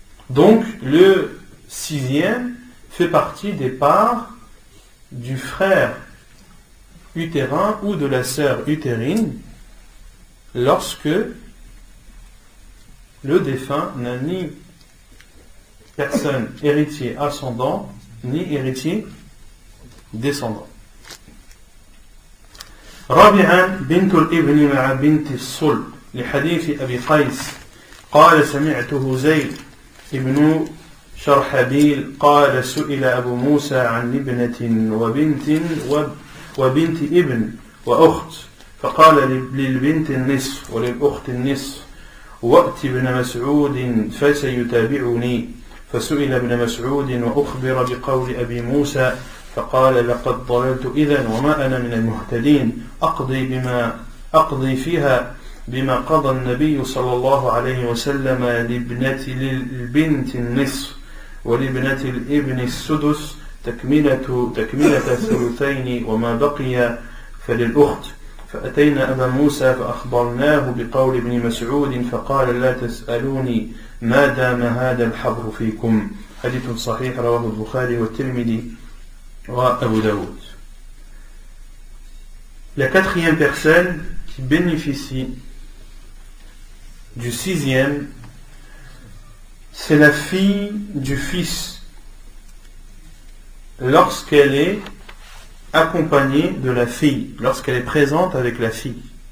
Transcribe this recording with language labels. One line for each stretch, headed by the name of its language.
French: Donc, le sixième fait partie des parts du frère utérin ou de la sœur utérine lorsque le défunt n'a ni personne héritier ascendant ni héritier descendant.
Arabic: رابعا بنت الابن مع بنت الصلب لحديث ابي قيس قال سمعته زيد ابن شرحبيل قال سئل ابو موسى عن ابنه وبنت وبنت ابن واخت فقال للبنت النصف وللاخت النصف وات ابن مسعود فسيتابعني فسئل ابن مسعود واخبر بقول ابي موسى فقال لقد ضللت إذن وما أنا من المهتدين أقضي فيها بما قضى النبي صلى الله عليه وسلم للبنت النصف ولابنة الابن السدس تكملة ثلثين وما بقي فللأخت فأتينا أبا موسى فأخبرناه بقول ابن مسعود فقال لا تسألوني ما دام هذا الحبر فيكم حديث صحيح رواه البخاري والترمذي وأبو داود.
French: La quatrième personne qui bénéficie du sixième, c'est la fille du fils lorsqu'elle est accompagnée de la fille, lorsqu'elle est présente avec la fille.